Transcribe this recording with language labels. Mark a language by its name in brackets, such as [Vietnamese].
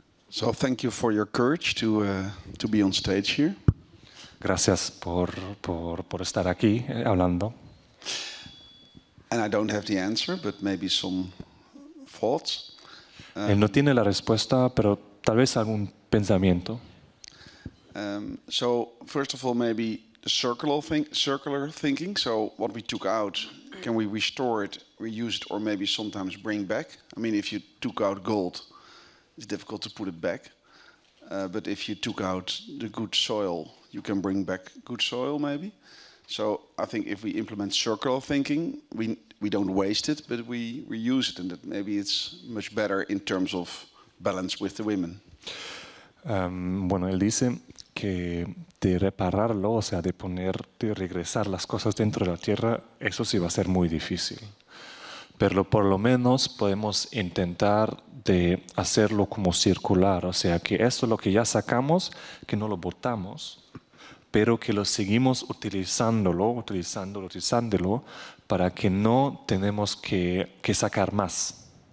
[English] So thank you for your courage to be on stage here. [Spanish] Gracias por estar aquí hablando. [English] And I don't have the answer, but maybe some thoughts. [Spanish] Él no tiene la respuesta, pero tal vez algún pensamiento. [English] So first of all, maybe the circular thinking. So what we took out, can we restore it, reuse it, or maybe sometimes bring back? I mean, if you took out gold, it's difficult to put it back. But if you took out the good soil, you can bring back good soil, maybe. So I think if we implement circular thinking, we don't waste it, but we reuse it, and that maybe it's much better in terms of balance with the women. [Spanish] Bueno, él dice que de repararlo, o sea, de poner, de regresar las cosas dentro de la tierra, eso sí va a ser muy difícil. Pero por lo menos podemos intentar de hacerlo como circular, o sea, que esto lo que ya sacamos, que no lo botamos, pero que lo seguimos utilizándolo, para que no tenemos que sacar más.